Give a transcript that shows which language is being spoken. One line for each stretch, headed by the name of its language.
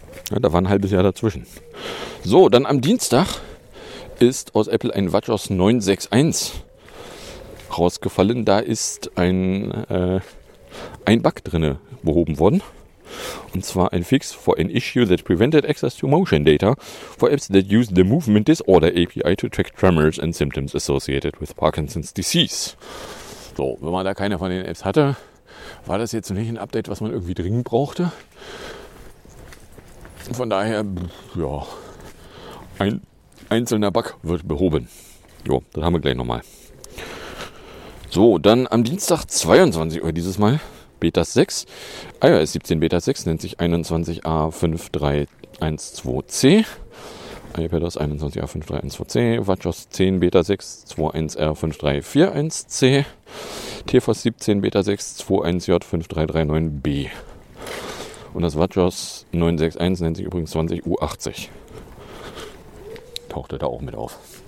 German: Ja, da war ein halbes Jahr dazwischen. So, dann am Dienstag ist aus Apple ein WatchOS 9.6.1 rausgefallen, da ist ein Bug drinne behoben worden. Und zwar ein
English: Fix for an issue that prevented access to motion data for apps that use the Movement Disorder API to track tremors and symptoms associated with Parkinson's disease.
German: So, wenn man da keine von den Apps hatte, war das jetzt nicht ein Update, was man irgendwie dringend brauchte. Von daher, ja, ein einzelner Bug wird behoben. Jo, das haben wir gleich nochmal. So, dann am Dienstag 22 Uhr dieses Mal, Beta 6, iOS 17 Beta 6, nennt sich 21A5312C, iPadOS 21A5312C, WatchOS 10 Beta 6, 21R5341C, TFOS 17 Beta 6, 21J5339B und das WatchOS 961 nennt sich übrigens 20U80. Tauchte da auch mit auf.